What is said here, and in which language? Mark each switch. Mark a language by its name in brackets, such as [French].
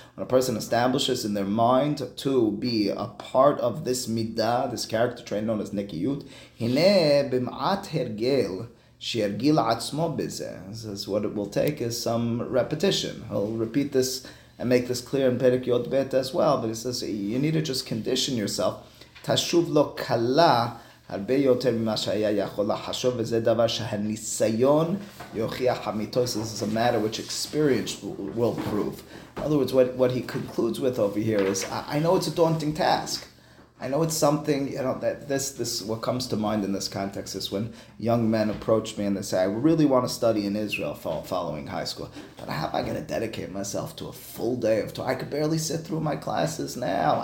[English] When a person establishes in their mind to be a part of this midah, this character trait known as nekiyut, [Hebrew] hine b'ma'at hergel shergil atzmo b'zeh. [English] What it will take is some repetition. He'll repeat this and make this clear in Perek Yod Bet as well, but he says you need to just condition yourself. [Hebrew] Tashuv lo kala הרבה יותר ממה שהיה יכול לחשוב, וזה דבר שהניסיון יוכיח אמיתו. [English] This is a matter which experience will prove. In other words, what he concludes with over here is, I know it's a daunting task. I know it's something, you know, that this what comes to mind in this context is when young men approach me and they say, I really want to study in Israel following high school, but how am I going to dedicate myself to a full day of Torah? I could barely sit through my classes now.